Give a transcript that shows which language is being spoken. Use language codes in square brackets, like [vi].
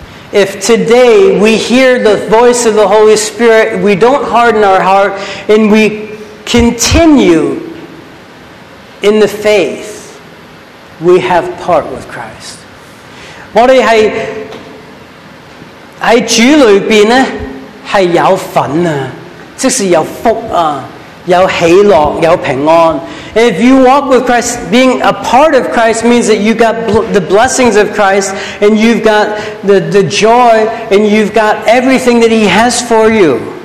[en] If today we hear the voice of the Holy Spirit, we don't harden our heart, and we continue in the faith, we have part with Christ. [zh] 我们在主里面呢, 是有份,即是有福,有喜乐,有平安。 [en] If you walk with Christ, being a part of Christ means that you've got the blessings of Christ, and you've got the joy, and you've got everything that He has for you.